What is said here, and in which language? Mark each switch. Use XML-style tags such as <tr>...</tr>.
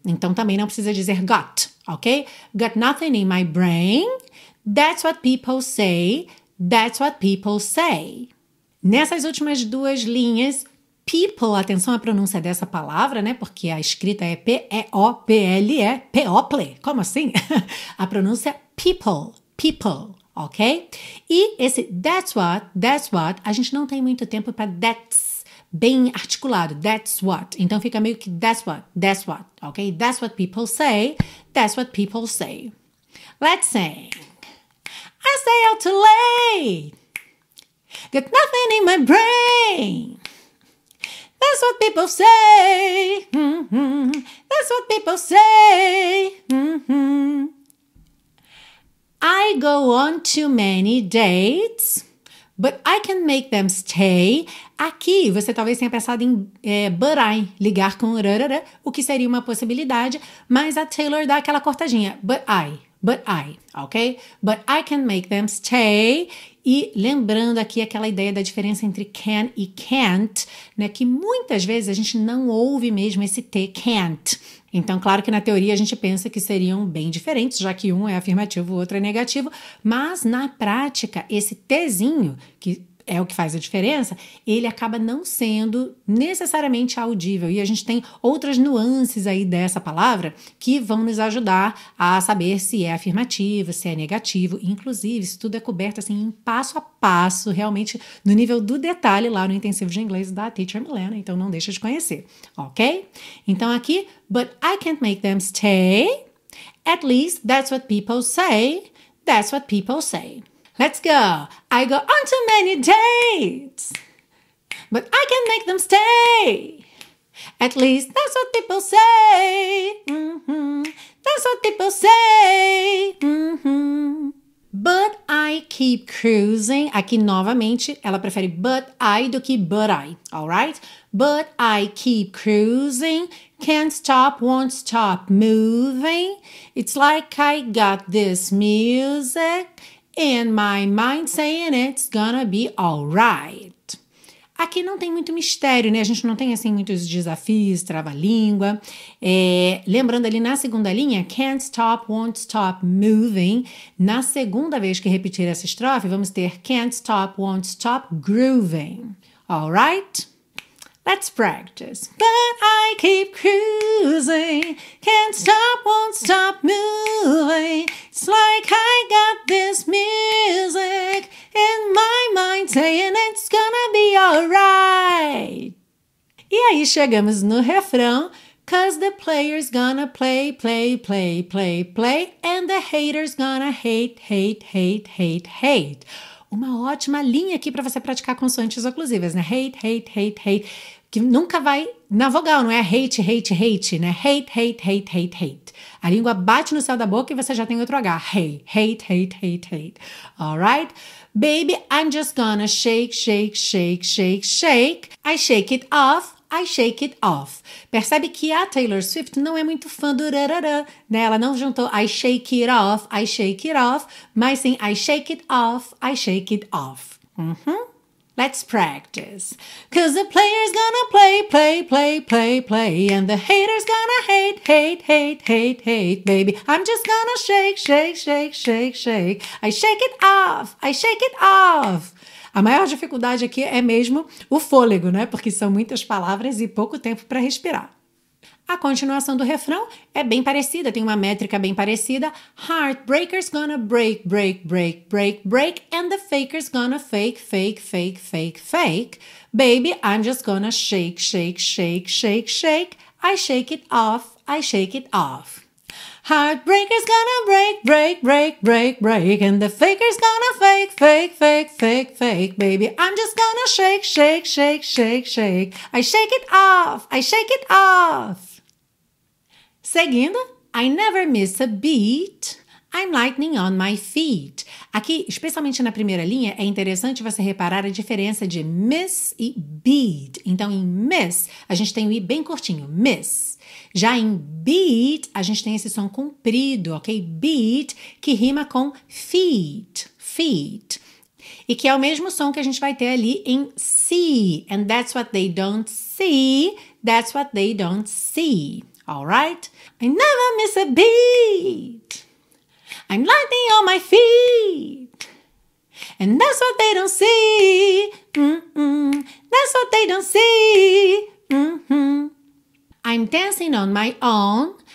<pt>Então também não precisa dizer got, ok?</pt> <en>Got nothing in my brain. That's what people say. That's what people say.</en> <pt>Nessas últimas duas linhas, people, atenção à pronúncia dessa palavra, né? Porque a escrita é P-E-O-P-L-E, P-O-P-L-E, como assim? A pronúncia people, people. Ok? E esse that's what, a gente não tem muito tempo para that's bem articulado, that's what. Então fica meio que that's what, ok?</pt> <en>That's what people say, that's what people say. Let's sing. I stay out too late. Got nothing in my brain. That's what people say. Mm-hmm. That's what people say. Mm-hmm. I go on too many dates, but I can make them stay.</en> <pt>Aqui, você talvez tenha pensado em but I, ligar com rarara, o que seria uma possibilidade, mas a Taylor dá aquela cortadinha, but I, ok?</pt> <en>But I can make them stay.</en> <pt>E lembrando aqui aquela ideia da diferença entre can e can't, né? Que muitas vezes a gente não ouve mesmo esse T, can't. Então, claro que na teoria a gente pensa que seriam bem diferentes, já que um é afirmativo, o outro é negativo, mas na prática, esse Tzinho, que é o que faz a diferença, ele acaba não sendo necessariamente audível. E a gente tem outras nuances aí dessa palavra que vão nos ajudar a saber se é afirmativo, se é negativo. Inclusive, isso tudo é coberto assim em passo a passo, realmente no nível do detalhe lá no intensivo de inglês da Teacher Milena. Então, não deixa de conhecer, ok? Então, aqui,</pt> <en>but I can't make them stay. At least, that's what people say. That's what people say. Let's go. I go on too many dates, but I can make them stay. At least that's what people say. Mm-hmm. That's what people say. Mm-hmm. But I keep cruising.</en> <pt>Aqui, novamente, ela prefere but I do que but I, alright?</pt> <en>But I keep cruising. Can't stop, won't stop moving. It's like I got this music in my mind saying it's gonna be alright.</en> <pt>Aqui não tem muito mistério, né? A gente não tem, assim, muitos desafios, trava-língua. É, lembrando ali na segunda linha,</pt> <en>can't stop, won't stop moving.</en> <pt>Na segunda vez que repetir essa estrofe, vamos ter</pt> <en>can't stop, won't stop grooving.</en> <pt>Alright?</pt> <en>Let's practice. But I keep cruising. Can't stop, won't stop moving. It's like I got this music in my mind saying it's gonna be alright.</en> <pt>E aí chegamos no refrão.</pt> <en>'Cause the player's gonna play, play, play, play, play. And the hater's gonna hate, hate, hate, hate, hate.</en> <pt>Uma ótima linha aqui para você praticar consoantes oclusivas, né?</pt> <en>Hate, hate, hate, hate.</en> <pt>Que nunca vai na vogal, não é hate, hate, hate, né?</pt> <en>Hate, hate, hate, hate, hate.</en> <pt>A língua bate no céu da boca e você já tem outro H.</pt> <en>Hey, hate, hate, hate, hate. Alright? Baby, I'm just gonna shake, shake, shake, shake, shake. I shake it off, I shake it off.</en> <pt>Percebe que a Taylor Swift não é muito fã do rarará, né? Ela não juntou</pt> <en>I shake it off, I shake it off.</en> <pt>Mas sim,</pt> <en>I shake it off, I shake it off. Uhum. Let's practice. 'Cause the player's gonna play, play, play, play, play. And the hater's gonna hate, hate, hate, hate, hate, baby. I'm just gonna shake, shake, shake, shake, shake. I shake it off, I shake it off.</en> <pt>A maior dificuldade aqui é mesmo o fôlego, né? Porque são muitas palavras e pouco tempo para respirar. A continuação do refrão é bem parecida, tem uma métrica bem parecida.</pt> <en>Heartbreaker's gonna break, break, break, break, break. And the faker's gonna fake, fake, fake, fake, fake. Baby, I'm just gonna shake, shake, shake, shake, shake. I shake it off, I shake it off. Heartbreaker's gonna break, break, break, break, break. And the faker's gonna fake, fake, fake, fake, fake. Baby, I'm just gonna shake, shake, shake, shake, shake. I shake it off, I shake it off.</en> <pt>Seguindo,</pt> <en>I never miss a beat, I'm lightning on my feet.</en> <pt>Aqui, especialmente na primeira linha, é interessante você reparar a diferença de miss e beat. Então, em miss, a gente tem o I bem curtinho, miss. Já em beat, a gente tem esse som comprido, ok? Beat, que rima com feet, feet. E que é o mesmo som que a gente vai ter ali em see.</pt> <en>And that's what they don't see, that's what they don't see. Alright? I never miss a beat. I'm lightning on my feet. And that's what they don't see. Mm-mm. That's what they don't see. Mm-hmm. I'm dancing on my own.</en>